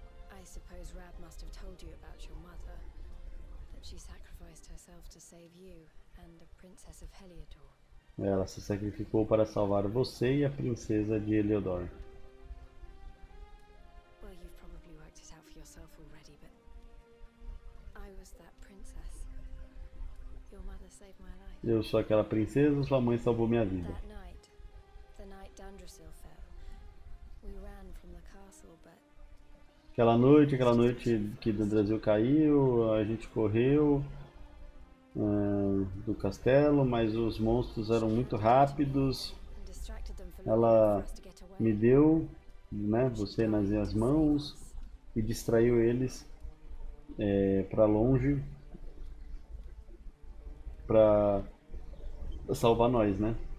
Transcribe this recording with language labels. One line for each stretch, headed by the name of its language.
English: I suppose Rab must have told you about your mother, that she sacrificed herself to save you and the princess of Heliodor.
Portuguese: Ela se sacrificou para salvar você e a princesa de Heliodor.
English: Well, you've probably worked it out for yourself already, but I was that princess. Your mother saved my life.
Portuguese: Eu sou aquela princesa, sua mãe salvou minha vida.
English: That night, the night Dundrasil fell, we ran from the castle, but
Portuguese: Aquela noite que o Brasil caiu, a gente correu do castelo, mas os monstros eram muito rápidos. Ela me deu, né, você nas minhas mãos e distraiu eles para longe para salvar nós, né?